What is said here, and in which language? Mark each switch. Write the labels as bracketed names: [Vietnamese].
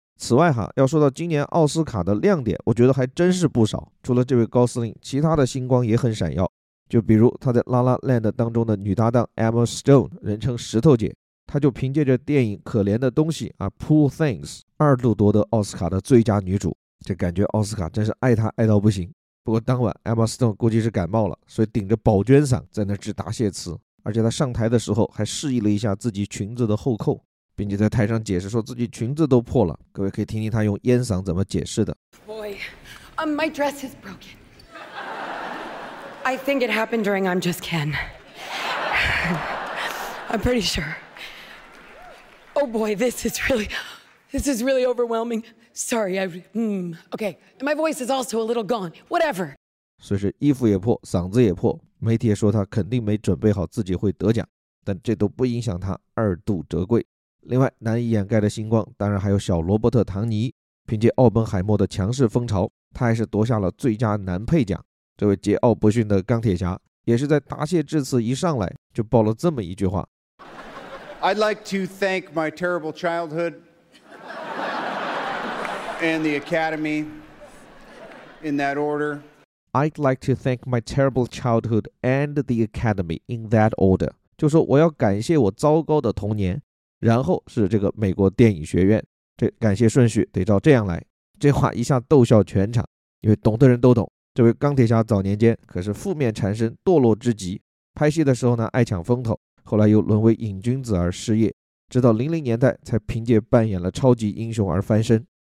[Chinese] 此外哈，要说到今年奥斯卡的亮点，我觉得还真是不少，除了这位高司令，其他的星光也很闪耀，就比如他在 La La Land 当中的女搭档 Emma Stone， 人称石头姐，她就凭借着电影可怜的东西啊 Poor Things 二度夺得奥斯卡的最佳女主，这感觉奥斯卡真是爱她爱到不行。不过当晚 Emma Stone 估计是感冒了，所以顶着宝娟嗓在那致答谢词，而且她上台的时候还示意了一下自己裙子的后扣，并且在台上解释说自己裙子都破了，各位可以听听他用烟嗓怎么解释的。 [English] Boy, my dress is broken. I think it happened during I'm Just Ken. I'm pretty sure. Oh boy, this is really overwhelming. Sorry, okay, my voice is also a little gone. Whatever. [Chinese] 所以是衣服也破，嗓子也破，媒体也说他肯定没准备好自己会得奖，但这都不影响他二度折桂。另外难以掩盖的星光当然还有小罗伯特·唐尼，凭借奥本海默的强势风潮，他还是夺下了最佳男配奖。这位桀骜不驯的钢铁侠也是在答谢致辞一上来就爆了这么一句话， [English] I'd like to thank my terrible childhood and the Academy in that order. I'd like to thank my terrible childhood and the Academy in that order. [Chinese] 就说我要感谢我糟糕的童年，然后是这个美国电影学院，这感谢顺序得照这样来。这话一下逗笑全场，因为懂的人都懂，这位钢铁侠早年间可是负面缠身，堕落之极，拍戏的时候呢爱抢风头，后来又沦为瘾君子而失业，直到00年代才凭借扮演了超级英雄而翻身。